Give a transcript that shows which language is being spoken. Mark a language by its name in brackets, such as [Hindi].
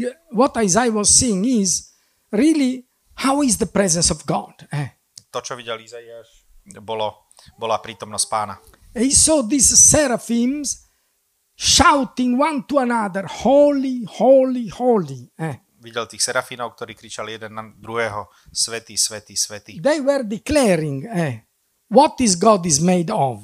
[English] What Isaiah was seeing is really, how is the presence of God? [Slovak] To, čo videl Izaiáš, bola prítomnosť pána. [English] He saw these seraphims shouting one to another, holy, holy, holy. [Slovak] Videl tých serafínov, ktorí kričali jeden na druhého, svätý, svätý, svätý. [English] They were declaring, what is God is made of.